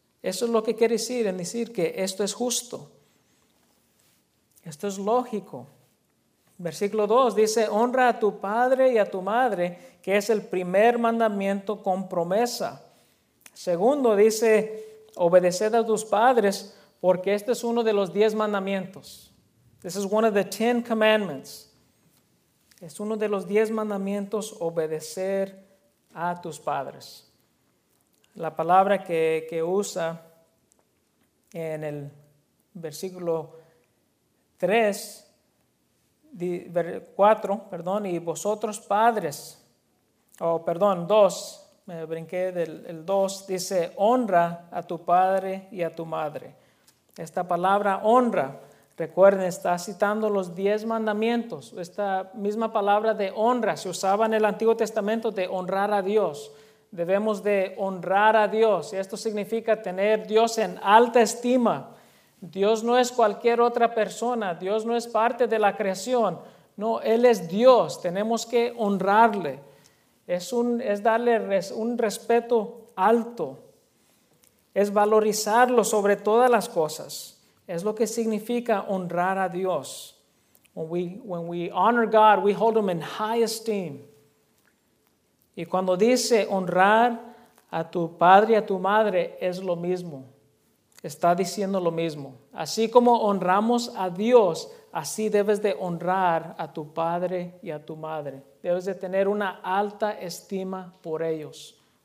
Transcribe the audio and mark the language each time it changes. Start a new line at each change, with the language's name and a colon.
Spanish: Eso es lo que quiere decir, en decir que esto es justo. Esto es lógico. Versículo 2 dice, honra a tu padre y a tu madre, que es el primer mandamiento con promesa. Segundo dice, obedeced a tus padres, porque este es uno de los 10 mandamientos.
English: This is one of the 10 commandments.
Spanish: Es uno de los 10 mandamientos, obedecer a tus padres. La palabra que usa en el versículo 3, 4, perdón, y vosotros padres, perdón, 2, me brinqué del 2, dice honra a tu padre y a tu madre. Esta palabra honra, recuerden, está citando los 10 mandamientos. Esta misma palabra de honra se usaba en el Antiguo Testamento de honrar a Dios. Debemos de honrar a Dios, y esto significa tener a Dios en alta estima. Dios no es cualquier otra persona, Dios no es parte de la creación. No, Él es Dios, tenemos que honrarle. Es darle un respeto alto. es valorizarlo sobre todas las cosas. Es lo que significa honrar a Dios.
English: When we honor God, we hold him in high esteem.
Spanish: Y cuando dice honrar a tu padre y a tu madre, es lo mismo. Está diciendo lo mismo. Así como honramos a Dios, así debes de honrar a tu padre y a tu madre. Debes de tener una alta estima por ellos.